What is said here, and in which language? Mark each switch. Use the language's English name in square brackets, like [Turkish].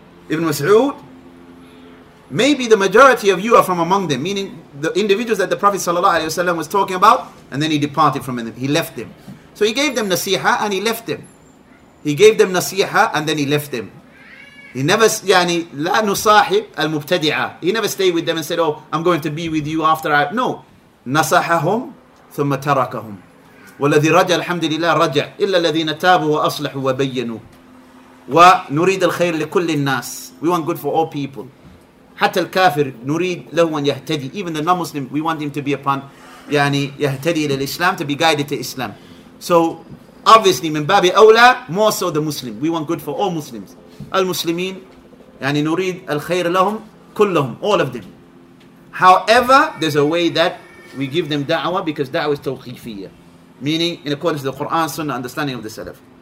[English] Ibn Mas'ud, maybe the majority of you are from among them, meaning the individuals that the Prophet sallallahu alayhi wa sallam was talking about, and then he departed from them, he left them. So he gave them nasiha and he left them. He gave them nasiha and then he left them. He never, [Arabic] يعني, لا نصاحب المبتدعة. [English] He never stayed with them and said, oh, I'm going to be with you after I... No. [Arabic] نصحهم ثم تركهم. والذي رجع الحمد لله رجع إلا الذين تابوا وأصلحوا وبينوا. ونريد الخير لكل الناس. [English] We want good for all people. [Arabic] حتى الكافر نريد له أن يهتدي. [English] Even the non-Muslim, we want him to be upon, يعني, [Arabic] يهتدي إلى الإسلام, [English] to be guided to Islam. So, obviously, [Arabic] من باب أولى, [English] more so the Muslim. We want good for all Muslims. [Arabic] Al-Muslimin, yani nurid al-khayr lahum, kullahum, [English] all of them. However, there's a way that we give them da'wah because da'wah is tawqifiyya, meaning in accordance to the Quran, Sunnah, understanding of the Salaf.